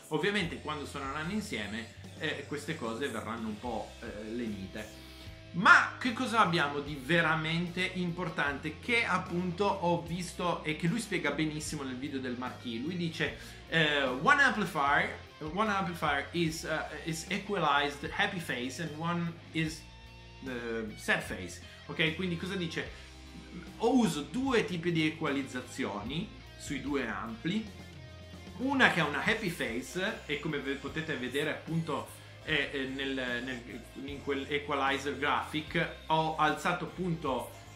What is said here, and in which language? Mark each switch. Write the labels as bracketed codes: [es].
[it] Ovviamente quando suoneranno insieme queste cose verranno un po' lenite. Ma che cosa abbiamo di veramente importante che appunto ho visto e che lui spiega benissimo nel video del Marquis? Lui dice [en] one amplifier is equalized happy face and one is sad face. [it] Ok, quindi cosa dice? O uso due tipi di equalizzazioni sui due ampli, una che ha una happy face e come potete vedere appunto in quel equalizer graphic ho alzato appunto